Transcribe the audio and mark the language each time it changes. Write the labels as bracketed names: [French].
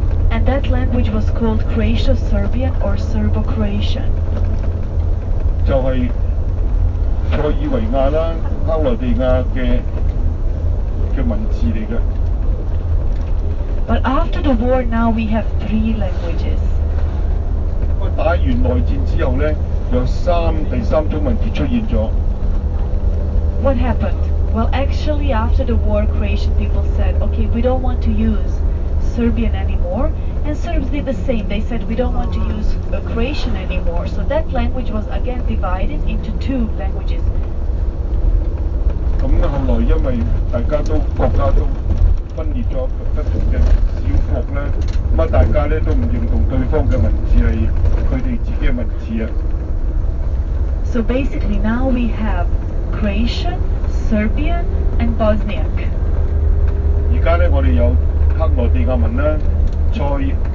[English] And that language was called Croatia-Serbian or Serbo-Croatian. [Cantonese] 就係塞爾維亞啦，克羅地亞嘅文字嚟嘅。 [English] But after the war, now we have three languages. [Cantonese] 打完內戰之後咧，有第三種文字出現咗。 [English] What happened? Well, actually, after the war, Croatian people said, "Okay, we don't want to use Serbian anymore." And Serbs did the same. They said, we don't want to use Croatian anymore. So that language was again divided into two languages. [Cantonese] 咁後來因為大家都國家都分裂咗不同嘅小國咧，咁啊大家咧都唔認同對方嘅文字係佢哋自己嘅文字啊。 [English] So basically, now we have Croatian, Serbian, and Bosniak. [Cantonese] 而家咧，我哋有克羅地亞文啦。